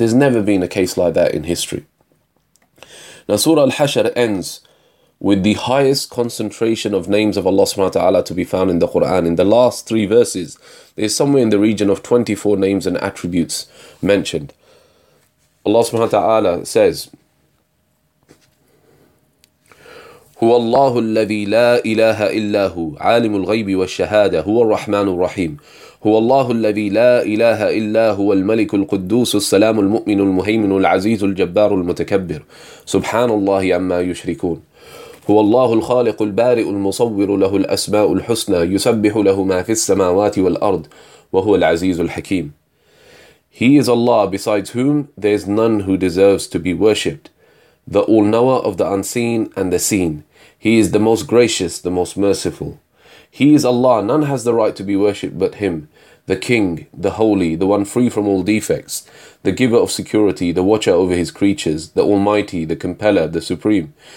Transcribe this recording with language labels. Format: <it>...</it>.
<en>There's never been a case like that in history. Now Surah Al-Hashr ends with the highest concentration of names of Allah subhanahu wa ta'ala to be found in the Qur'an. In the last three verses, there's somewhere in the region of 24 names and attributes mentioned. Allah subhanahu wa ta'ala says,</en> <ar>هُوَ اللَّهُ الَّذِي لَا إِلَهَ إِلَّا هُوَ عَالِمُ الْغَيْبِ وَالشَّهَادَةِ هُوَ الرَّحْمَنُ الرَّحِيمُ هو الله الذي لا إله إلا هو الملك القدوس السلام المؤمن المهيمن العزيز الجبار المتكبر سبحان الله عما يشركون هو الله الخالق البارئ المصور له الأسماء الحسنى يسبح له ما في السماوات والأرض وهو العزيز الحكيم.</ar> <en>He is Allah, besides whom there is none who deserves to be worshipped, the all-knower of the unseen and the seen. He is the most gracious, the most merciful. He is Allah, none has the right to be worshipped but Him, the King, the Holy, the One free from all defects, the Giver of security, the Watcher over His creatures, the Almighty, the Compeller, the Supreme.</en>